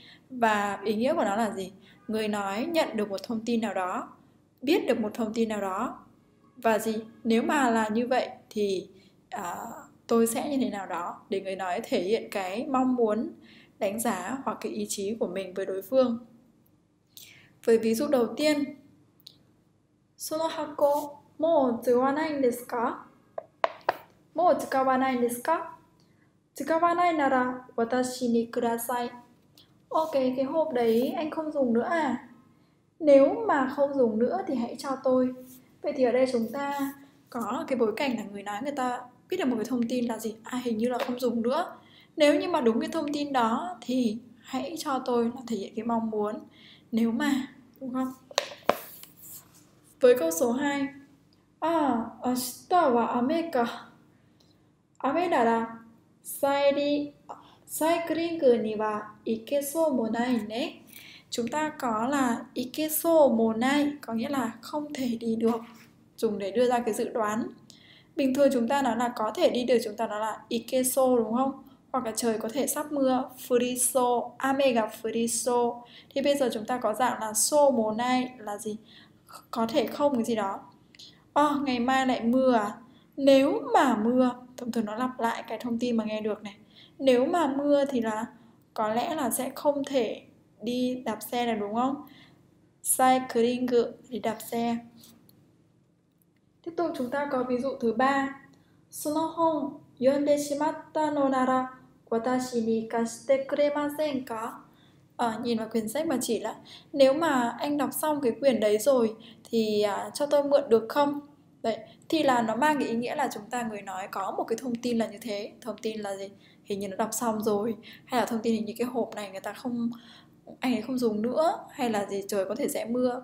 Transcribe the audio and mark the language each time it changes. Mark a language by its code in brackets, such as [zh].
[vi] Và ý nghĩa của nó là gì? Người nói nhận được một thông tin nào đó, biết được một thông tin nào đó. Và gì? Nếu mà là như vậy thì tôi sẽ như thế nào đó. Để người nói thể hiện cái mong muốn đánh giá hoặc cái ý chí của mình với đối phương. Với ví dụ đầu tiên, [ja] その箱もう使わないんですか？もう使わないんですか？使わないなら私にください。 [vi] Ok, cái hộp đấy anh không dùng nữa à? Nếu mà không dùng nữa thì hãy cho tôi. Vậy thì ở đây chúng ta có cái bối cảnh là người nói người ta biết được một cái thông tin là gì? À, hình như là không dùng nữa. Nếu như mà đúng cái thông tin đó thì hãy cho tôi, là thể hiện cái mong muốn. Nếu mà, đúng không? Với câu số 2. [ja] À, 明日は雨か。雨なら。サイクリングには行けそうもないね。 [vi] Chúng ta có là [ja] 行けそうもない, [vi] có nghĩa là không thể đi được, dùng để đưa ra cái dự đoán. Bình thường chúng ta nói là có thể đi được, chúng ta nói là [ja] 行けそう, [vi] đúng không? Hoặc là trời có thể sắp mưa, [ja] 降りそう, 雨が降りそう. [vi] Thì bây giờ chúng ta có dạng là [ja] そうもない [vi] là gì? Có thể không cái gì đó. Ngày mai lại mưa à? Nếu mà mưa, thông thường nó lặp lại cái thông tin mà nghe được này. Nếu mà mưa thì là có lẽ là sẽ không thể đi đạp xe này, đúng không? Cycling thì đạp xe. Tiếp tục chúng ta có ví dụ thứ 3. [ja] その本読んでしまったのなら私に貸してくれませんか？ [vi] Nhìn vào quyển sách mà chỉ là nếu mà anh đọc xong cái quyển đấy rồi thì cho tôi mượn được không? Đấy, thì là nó mang cái ý nghĩa là chúng ta người nói có một cái thông tin là như thế. Thông tin là gì? Hình như nó đọc xong rồi. Hay là thông tin hình như cái hộp này người ta không, anh ấy không dùng nữa. Hay là gì? Trời có thể sẽ mưa.